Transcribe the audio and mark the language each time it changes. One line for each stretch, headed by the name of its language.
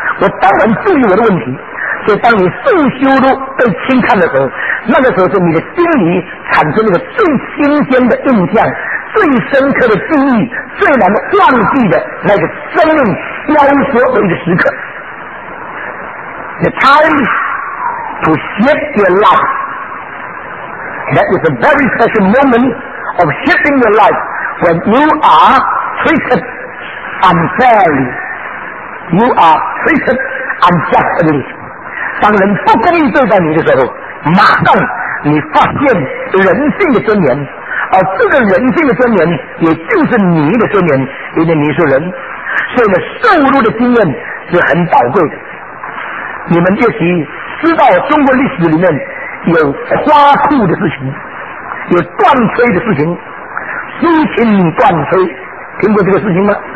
Chinese: 我当然注意我的问题。所以当你受羞辱被轻看的时候，那个时候是你的心里产生那个最新鲜的印象，最深刻的记忆，最难忘记的那个生命雕琢的一个时刻。
English: The time to shift your life. That is a very special moment of shifting your life when you are treated unfairly. You are treated unjustly.
Chinese: 当人不公义对待你的时候，马上你发现人性的尊严，而这个人性的尊严也就是你的尊严，因为你是人。所以呢，受辱的经验是很宝贵的。你们也许知道中国历史里面有夸酷的事情，有断炊的事情，苏秦断炊，听过这个事情吗？